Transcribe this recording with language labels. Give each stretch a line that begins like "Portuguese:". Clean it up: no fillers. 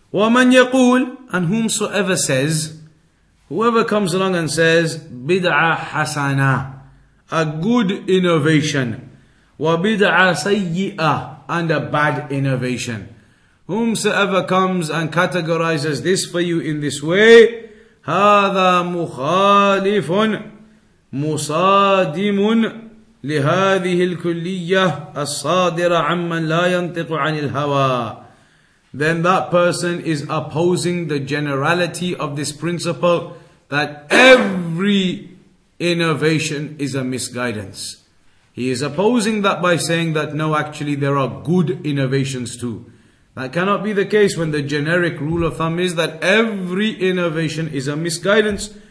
Arabic: وَمَنْ يَقُولُ,
English: and whomsoever says, whoever comes along and says,
Arabic: بِدْعَ حَسَنَا,
English: a good innovation,
Arabic: وَبِدْعَ سَيِّئَةً,
English: and a bad innovation. Whomsoever comes and categorizes this for you in this way,
Arabic: هذا مخالف مصادم لهذه الكلية الصادرة عمن لا ينطق عن الهوى.
English: Then that person is opposing the generality of this principle that every innovation is a misguidance. He is opposing that by saying that no, actually there are good innovations too. That cannot be the case when the generic rule of thumb is that every innovation is a misguidance.